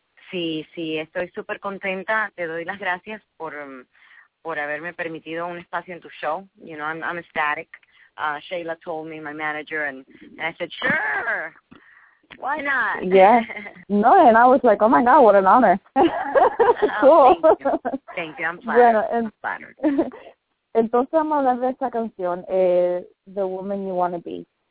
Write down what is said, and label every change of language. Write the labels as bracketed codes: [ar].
[es] Sí, sí, estoy súper contenta. Te doy las gracias por haberme permitido un espacio en tu show. [en] You know, I'm ecstatic. Sheila told me, my manager, and I said, sure. Why not? Yeah. No, and I was like, oh, my God, what an honor. Cool. Oh, thank you. I'm flattered. [es] Bueno, [en] I'm flattered. [es] Entonces vamos a hablar de esta canción, The Woman You Want to Be.